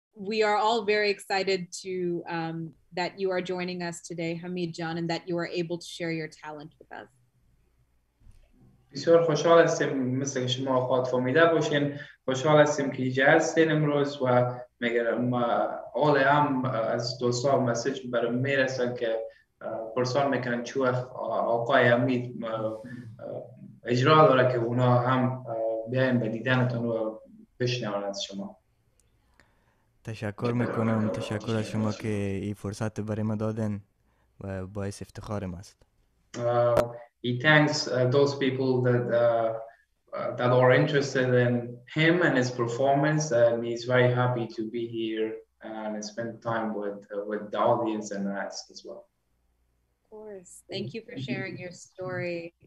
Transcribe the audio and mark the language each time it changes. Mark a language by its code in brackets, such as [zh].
[en] We are all very excited to that you are joining us today, Hamid John, and that you are able to share your talent with us. [fa] بسیار خوشحال هستیم مثل که شما خواهد فهمیده باشین. خوشحال هستیم که اینجا هستین امروز و میگرم اول هم از دوستا مسیج برای میرسن که پرسان میکنن چو آقای حمید اجرا داره که اونا هم بیاین به دیدنتون و بشنوان از شما. تشکر میکنم. تشکر از شما که این فرصت برای ما دادن و باعث افتخارم است. [en] He thanks those people that are interested in him and his performance, and he's very happy to be here and spend time with the audience and us as well. Of course. Thank you for sharing your story.